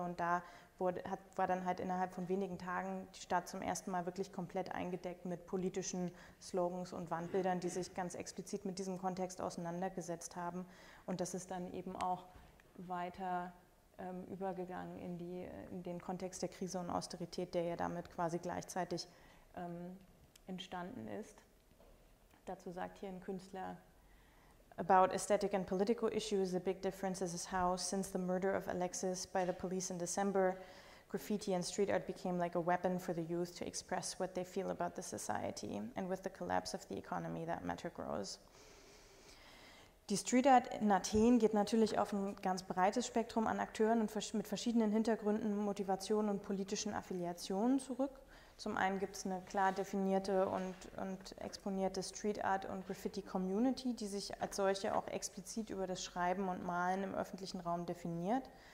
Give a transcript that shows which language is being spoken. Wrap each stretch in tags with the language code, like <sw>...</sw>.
<de>Und da war dann halt innerhalb von wenigen Tagen die Stadt zum ersten Mal wirklich komplett eingedeckt mit politischen Slogans und Wandbildern, die sich ganz explizit mit diesem Kontext auseinandergesetzt haben. Und das ist dann eben auch weiter übergegangen in den Kontext der Krise und Austerität, der ja damit quasi gleichzeitig entstanden ist. Dazu sagt hier ein Künstler:</de> <en>"About aesthetic and political issues, the big difference is how, since the murder of Alexis by the police in December, graffiti and street art became like a weapon for the youth to express what they feel about the society. And with the collapse of the economy, that matter grows."</en> <de>Die Street Art in Athen geht natürlich auf ein ganz breites Spektrum an Akteuren und mit verschiedenen Hintergründen, Motivationen und politischen Affiliationen zurück. Zum einen gibt es eine klar definierte und exponierte Street Art und Graffiti Community, die sich als solche auch explizit über das Schreiben und Malen im öffentlichen Raum definiert.</de>